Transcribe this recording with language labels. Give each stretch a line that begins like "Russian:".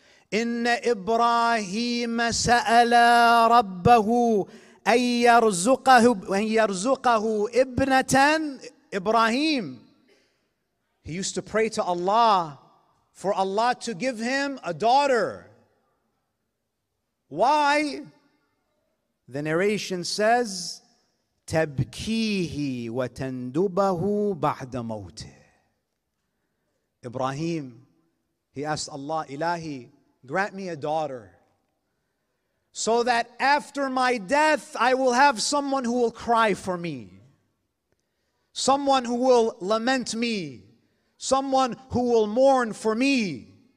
Arabic: Inna Ibrahim sa'ala rabbahu an yarzuqahu ibnatan Ibrahim.
English: He used to pray to Allah for Allah to give him a daughter. Why? The narration says,
Arabic: تَبْكِيهِ وَتَنْدُبَهُ بَعْدَ مَوْتِهِ.
English: Ibrahim, he asked Allah, Ilahi, grant me a daughter so that after my death I will have someone who will cry for me, someone who will lament me, someone who will mourn for me.